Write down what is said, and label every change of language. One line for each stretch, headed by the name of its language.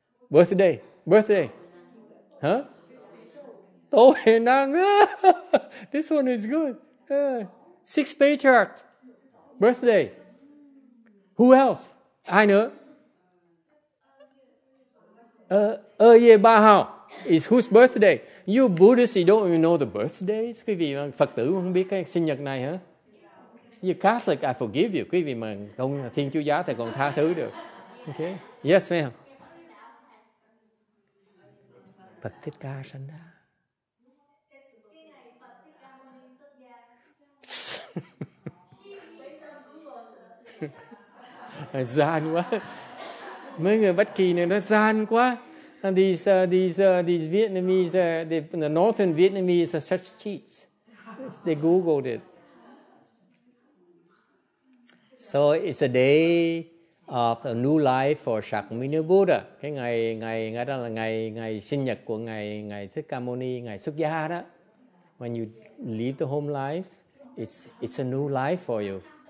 English: Birthday. Huh? Tô Hề Năng. This one is good. Six patriarchs. Birthday. Who else?
Vietnamese: Ai nữa?
English: Ye Ba Hao. It's whose birthday? You Buddhists, you don't even know the birthdays.
Vietnamese: Quý vị Phật tử không biết cái sinh nhật này hả?
English: You Catholic, I forgive you.
Vietnamese: Quý vị mà không Thiên Chúa Giáo thì còn tha thứ được.
English: Okay. Yes, ma'am.
Vietnamese: Phật Thích Ca sanh ra. Gian quá. Mấy người bất kỳ này nó gian quá.
English: And these Vietnamese, the northern Vietnamese are such cheats. They googled it. So it's a day of a new life for Shakyamuni Buddha.
Vietnamese: Cái ngày đó là ngày sinh nhật của ngày Thích Ca Mâu Ni, ngày xuất gia đó.
English: When you leave the home life, it's a new life for you.